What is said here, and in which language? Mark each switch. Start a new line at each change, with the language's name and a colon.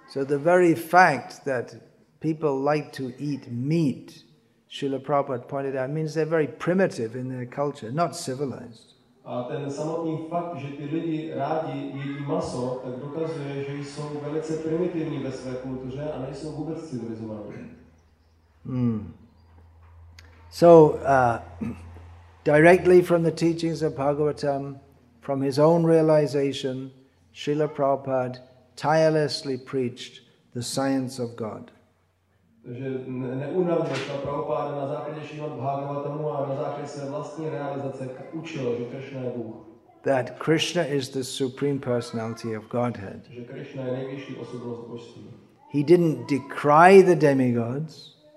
English: So the very fact that people like to eat meat, Srila Prabhupada pointed out, means they're very primitive in their culture, not civilized.
Czech: A ten samotný fakt, že ty lidi rádi jedí maso, tak dokazuje, že jsou velice primitivní ve své kultuře a nejsou vůbec civilizovaní.
English: So directly from the teachings of Bhagavatam, from his own realization, Srila Prabhupada tirelessly preached the science of God.
Czech: Takže neunavně šel Prabhupada na základě Šrimad Bhagavatamu a na základě své vlastní realizace učil, že Krishna je Bůh.
English: That Krishna is the supreme personality of Godhead.
Czech: Že Krishna je nejvyšší osobnost božství.
English: He didn't decry the demigods.